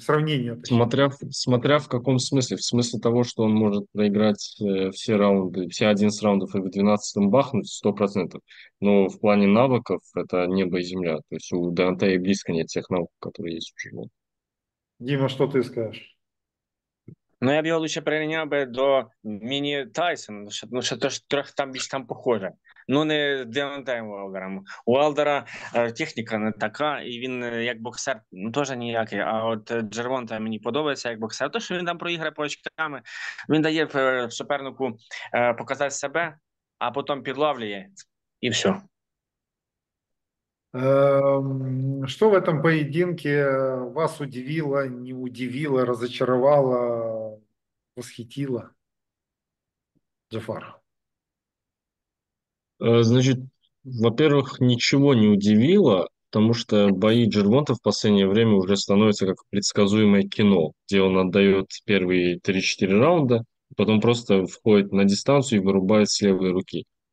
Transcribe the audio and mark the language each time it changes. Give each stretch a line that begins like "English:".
Russian: Сравнение, точнее. Смотря в каком смысле. В смысле того, что он может проиграть все раунды, все 11 раундов и в 12-м бахнуть 100%. Но в плане навыков это небо и земля. То есть у Дантея близко нет тех навыков, которые есть у Джервонта. Дима, что ты скажешь?
Ukrainian: Ну, я б його лучше прирівняв би до Міні Тайсона, ну, що то ж трохи там більш там похоже. Ну, не Деонтаєм Уайлдером. У Уайлдера техніка не така, і він як боксер, ну, теж ніякий. А от Джервонта мені подобається як боксер. То, що він там проіграє по очками, він дає супернику показати себе, а потім підловлює, і все.
Russian: Что в этом поединке вас удивило, не удивило, разочаровало, восхитило? Джафар. Значит, во-первых, ничего не удивило, потому что бои Джервонта в последнее время уже становятся как предсказуемое кино, где он отдает первые 3-4 раунда, потом просто входит на дистанцию и вырубает с левой руки.